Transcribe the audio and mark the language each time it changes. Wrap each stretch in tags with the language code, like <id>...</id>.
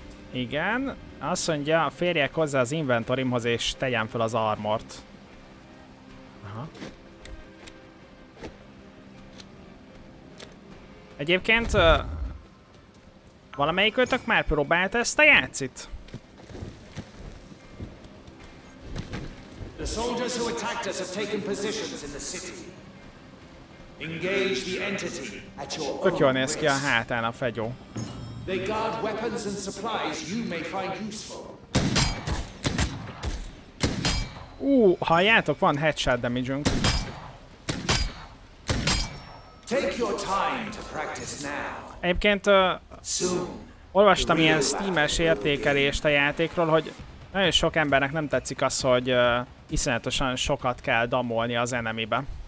<hu>Igen. Azt mondja, férjek hozzá az inventorimhoz és tegyem fel az armort. Aha. Egyébként... valamelyikőtök már próbált ezt a játszit?</hu> <en>The soldiers who attacked us have taken positions in the city. Engage the entity at your own risk.</en> <hu>Tök jól néz ki a hátán a fegyó.</hu> <en>They guard weapons and supplies you may find useful.</en> <hu>Halljátok, van headshot damage-ünk.</hu> <en>Take your time to practice now.</en> <hu>Egyébként olvastam ilyen Steam-es értékelést a játékról, hogy nagyon sok embernek nem tetszik az, hogy iszonyatosan sokat kell damolni az enemybe.</hu>